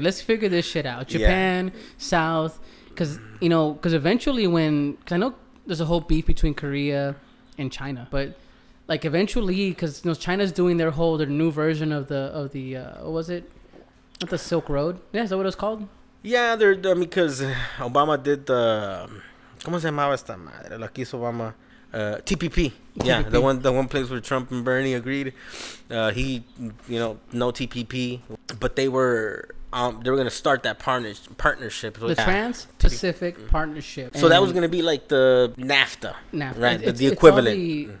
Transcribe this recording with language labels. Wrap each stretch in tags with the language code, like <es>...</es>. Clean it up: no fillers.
<en>Let's figure this shit out. Japan, yeah. South. Because, you know, because eventually because I know there's a whole beef between Korea and China, but, like, eventually, because, you know, China's doing their new version what was it? Not the Silk Road? Yeah, is that what it was called? Yeah, because Obama did the,</en> <es>¿cómo se llamaba esta madre? La quiso Obama. TPP.</es> <en>Yeah, the one place where Trump and Bernie agreed. He, you know, no TPP, but they were... they were going to start that partnership. The Trans-Pacific Partnership. So that was going to be like the NAFTA. NAFTA. Right, the equivalent.</en>